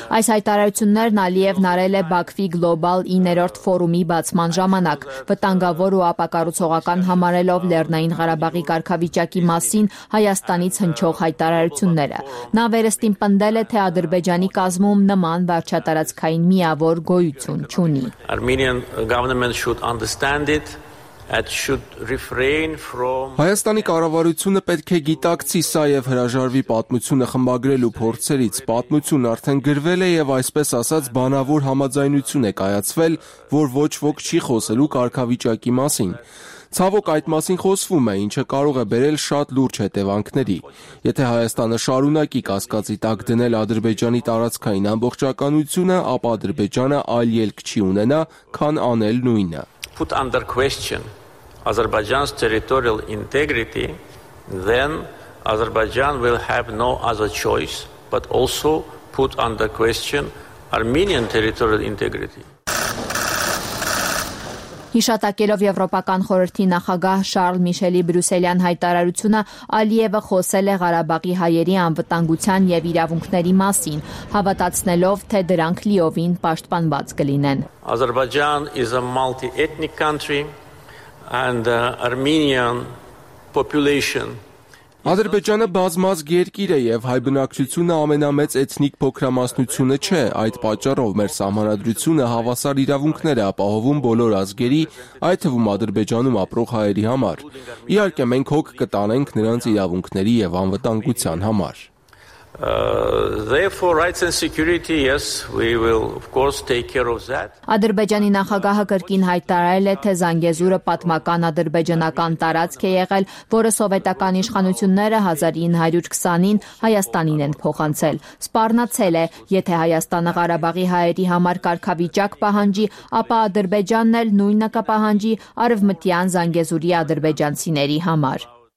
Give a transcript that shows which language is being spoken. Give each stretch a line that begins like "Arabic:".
Armenian: Այս հայտարարություններն Ալիևն արել է Բաքվի գլոբալ 9-րդ ֆորումի բացման ժամանակ, վտանգավոր ու ապակառուցողական համարելով Լեռնային Ղարաբաղի կարգավիճակը վիճակի մասին Հայաստանից հնչող հայտարարությունները։ Նա վերստին պնդել է, թե Ադրբեջանի կազմում նման վարչատարածքային միավոր գոյություն չունի։
English: Armenian government should understand it. It should refrain from
Armenian: Հայաստանի կառավարությունը պետք է գիտակցի սա եւ հրաժարվի պատմությունը խմբագրելու փորձերից։ Պատմությունն արդեն գրվել է եւ այսպես ասած բանավոր համաձայնություն է կայացվել, որ ոչ ոք չի խոսելու կարգավիճակի մասին։ Ցավոք այդ մասին խոսվում է, ինչը կարող է բերել շատ լուրջ հետևանքների։ Եթե Հայաստանը շարունակի կասկածի տակ դնել Ադրբեջանի տարածքային ամբողջականությունը, ապա Ադրբեջանը այլ ելք չի ունենա, քան անել նույնը։
English: Put under question Azerbaijan's territorial integrity, then Azerbaijan will have no other choice but also put under question Armenian territorial integrity.
Armenian: Հիշատակելով Եվրոպական խորհրդի նախագահ Շարլ Միշելի Բրյուսելյան հայտարարությունը, Ալիևը խոսել է Ղարաբաղի հայերի անվտանգության եւ իրավունքների մասին, հավատացնելով, թե դրանք լիովին պաշտպանված կլինեն։
English: Azerbaijan is a multi-ethnic country and the Armenian population
Armenian: Ադրբեջանը բազմազգ երկիր է եւ հայ բնակչությունը ամենամեծ էթնիկ փոքրամասնությունը չէ։ Այդ պատճառով մեր սահմանադրությունը հավասար իրավունքներ է ապահովում բոլոր ազգերի, այդ թվում Ադրբեջանում ապրող հայերի համար։ Իհարկե մենք հոգ կտանենք նրանց իրավունքների եւ անվտանգության համար։
English: Therefore rights and security, yes, we will of course take care of that.
Armenian: Ադրբեջանի նախագահը կրկին հայտարարել է, թե Զանգեզուրը պատմական ադրբեջանական տարածք է եղել, որը սովետական իշխանությունները 1920-ին Հայաստանին են փոխանցել։ Սպառնացել է, եթե Հայաստանը Ղարաբաղի հայերի համար կարգավիճակ պահանջի, ապա Ադրբեջանն էլ նույնը կպահանջի արևմտյան Զանգեզուրի ադրբեջանցիների համար։